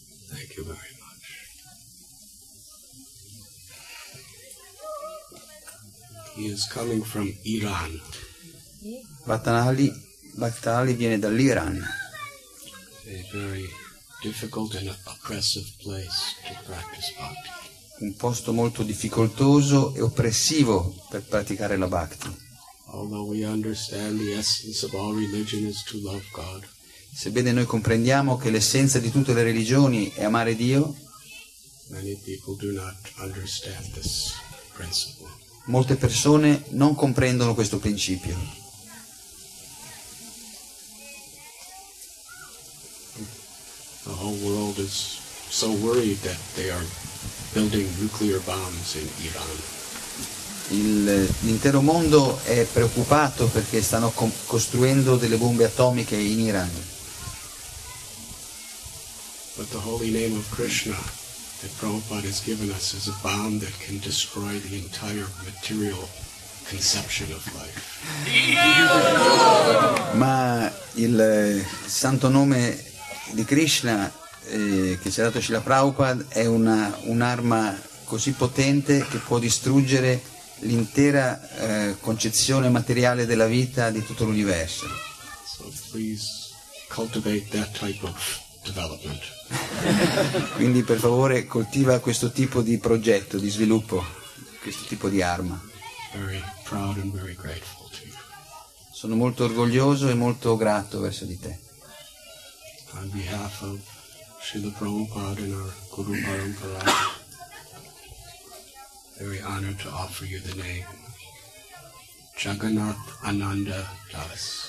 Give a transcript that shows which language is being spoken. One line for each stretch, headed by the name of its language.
English: Thank you very much. He is coming from Iran.
Italian: Bhaktali, Bhaktali viene dall'Iran.
English: A very difficult and oppressive place to practice bhakti.
Italian: Un posto molto difficoltoso e oppressivo per praticare la bhakti.
English: Although we understand the essence of all religion is to love God.
Italian: Sebbene noi comprendiamo che l'essenza di tutte le religioni è amare Dio,
English: many people do not understand this principle.
Italian: Molte persone non comprendono questo principio.
English: The whole world is so worried that they are building nuclear bombs in Iran.
Italian: L'intero mondo è preoccupato perché stanno costruendo delle bombe atomiche in Iran.
English: But the holy name of Krishna that Prabhupada has given us is a bomb that can destroy the entire material conception of life.
Italian: Ma il santo nome di Krishna che ci ha dato Srila Prabhupada è un'arma così potente che può distruggere l'intera concezione materiale della vita di tutto l'universo.
English: So please cultivate that type of development.
Italian: Quindi per favore coltiva questo tipo di progetto di sviluppo, questo tipo di arma.
English: Very proud and very grateful to you.
Italian: Sono molto orgoglioso e molto grato verso di te.
English: On behalf of Srila Prabhupada and our Guru Parampara, very honored to offer you the name Jagannath Ananda Das.